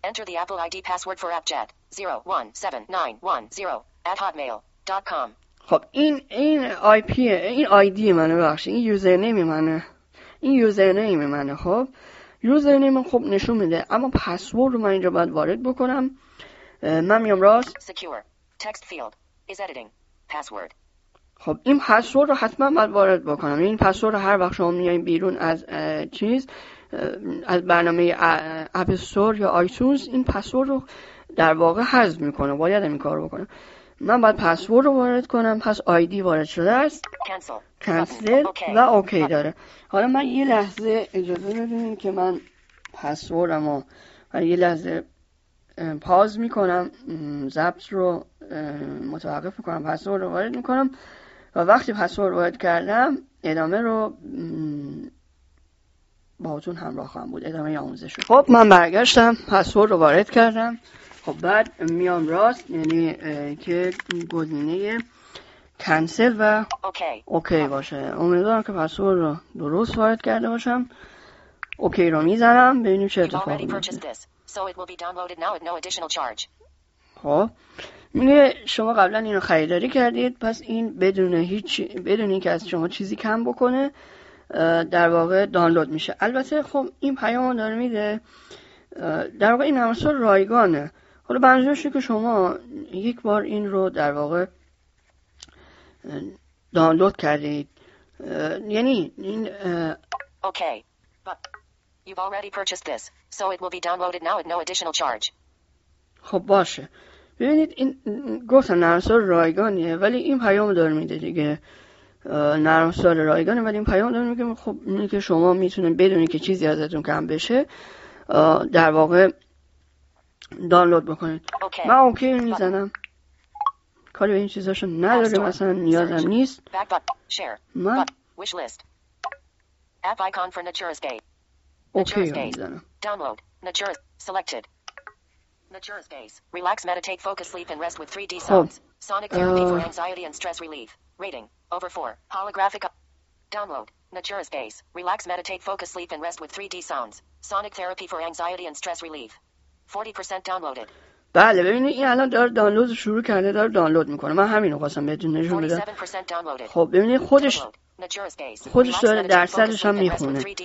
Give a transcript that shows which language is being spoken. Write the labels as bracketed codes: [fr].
[en] Enter the Apple ID password for AppJet 017910@hotmail.com. [fa] خب این IPه. این ID منه بخشه. این یوزرنیمی منه. این یوزرنیمی منه. خب یوزرنیم خب نشون میده. اما پسورد رو من اینجا باید وارد بکنم. من میام راست. [en] Secure. Text field is editing password. [fa] خب این پسورد رو حتما باید وارد بکنم. این پسورد رو هر وقت شما میایین بیرون از چیز از برنامه اپ استور یا آیتونز این پسورد رو در واقع حذف میکنه. باید این کارو بکنم. من باید پسورد رو وارد کنم. پس آیدی وارد شده است. [en] Cancel [fa] و اوکی داره. حالا من یه لحظه اجازه بدین که من پسوردم رو یه لحظه پاز میکنم. ضبط رو متوقف میکنم. پسورد رو وارد میکنم و وقتی پسورد وارد کردم ادامه رو با اتون همراه خواهم بود. ادامه آموزش رو خب من برگشتم پسورد رو وارد کردم. خب بعد میام راست یعنی که گزینه کنسل و اوکی باشه. امیدوارم که پسورد رو درست وارد کرده باشم. اوکی رو میزنم ببینیم چه اتفاقی میفته. [en] So it will be downloaded now at no additional charge. [fa] خب میگه شما قبلا اینو خریداری کردید پس این بدون هیچ بدون اینکه از شما چیزی کم بکنه در واقع دانلود میشه. البته خب این پیام رو داره میده، در واقع این همسر رایگانه. حالا منظورش اینه که شما یک بار این رو در واقع دانلود کردید، یعنی این [en] Okay you've already purchased this so it will be downloaded now at no additional charge. [fa] خب باشه، ببینید این گفتم نرم‌افزار رایگانیه ولی این پیام داره میده دیگه، نرم‌افزار رایگانه ولی این پیام داره میگه خب اینه که شما میتونید بدونی که چیزی ازتون کم بشه در واقع دانلود بکنید. [en] okay. [fa] من اوکی میزنم، کاری به این چیزاشو نداره، مثلا نیازم نیست. من [en] app icon for Natura's Gate. Download. Natura's selected. Natura's Gaze. Relax, meditate, focus, sleep and rest with 3D sounds. Sonic therapy for anxiety and stress relief. Rating over 4. Holographic. Download. Natura's Gaze. Relax, meditate, focus, sleep and rest with 3D sounds. Sonic therapy for anxiety and stress relief. 40% downloaded. [fa] بله ببینید این الان داره دانلود شروع کرده، داره دانلود میکنه. من همین رو خواستم بهتون نشون بدم. خب ببینید خودش داره درصدش هم میخونه.